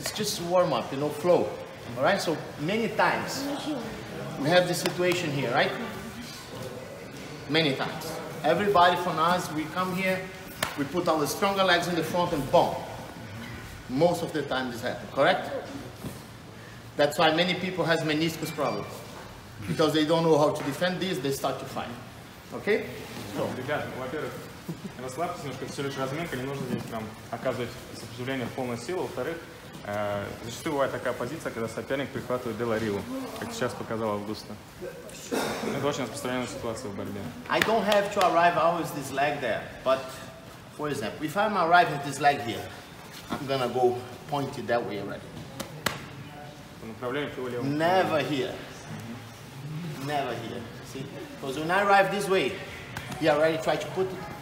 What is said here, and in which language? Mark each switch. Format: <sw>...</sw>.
<en>It's just warm-up, you know, flow. Alright, so many times we have this situation here, right? Many times. Everybody from us, we come here, we put all the stronger legs in the front and boom. Most of the time this happens, correct? That's why many people have meniscus problems. Because they don't know how to defend this, they start to fight. Okay? So.</en> <ru>Ребята, во-первых, расслабьтесь немножко, это всего лишь разминка, не нужно здесь прям оказывать сопротивление в полную силу. Во-вторых, зачастую бывает такая позиция, когда соперник прихватывает Делариу, как сейчас показал Августа. Это очень распространенная ситуация в борьбе.</ru> <en>I don't have to arrive always this leg there, but, for example, if I'm arriving with this leg here, I'm gonna go pointed that way already. Never here. Never here. See? Because when I arrive this way, he already tried to put it.</en>